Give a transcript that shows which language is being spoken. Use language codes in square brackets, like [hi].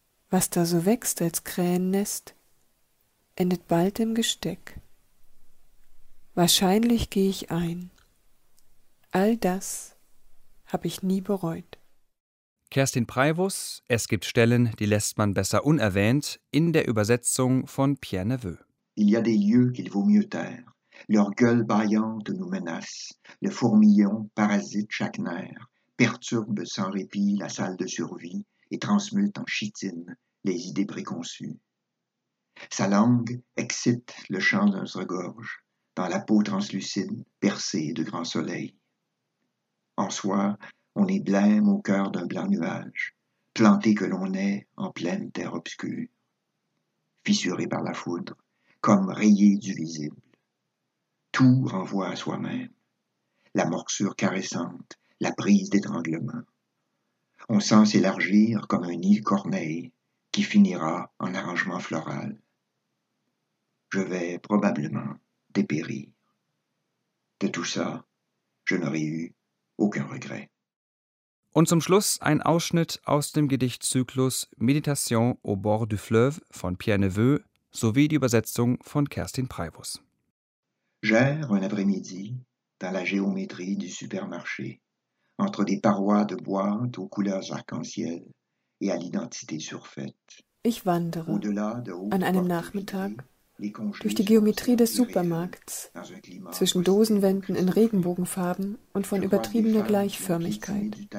[de] Was da so wächst als Krähennest, endet bald im Gesteck. Wahrscheinlich gehe ich ein. All das habe ich nie bereut. Kerstin Preivus, es gibt Stellen, die lässt man besser unerwähnt, in der Übersetzung von Pierre Neveu. [fr] Il y a des lieux qu'il vaut mieux taire, Leur gueule baillante nous menace. Le fourmillon parasite chaque nerf, perturbe sans répit la salle de survie et transmute en chitine les idées préconçues. Sa langue excite le chant d'un regorge dans la peau translucide percée de grand soleil. En soi, on est blême au cœur d'un blanc nuage, planté que l'on est en pleine terre obscure, fissuré par la foudre, comme rayé du visible. Tout renvoie à soi-même, la morsure caressante, la prise d'étranglement. On sent s'élargir comme un nid corneille qui finira en arrangement floral. Je vais probablement dépérir. De tout ça, je n'aurai eu aucun regret. [de] Und zum Schluss ein Ausschnitt aus dem Gedichtzyklus Méditation au bord du fleuve von Pierre Neveu sowie die Übersetzung von Kerstin Preivus. [fr] J'erre un après-midi dans la géométrie du supermarché, entre des parois de boîtes aux couleurs arc-en-ciel et à l'identité surfaite. [de] Ich wandere an einem Nachmittag durch die Geometrie des Supermarkts zwischen Dosenwänden in Regenbogenfarben und von übertriebener Gleichförmigkeit.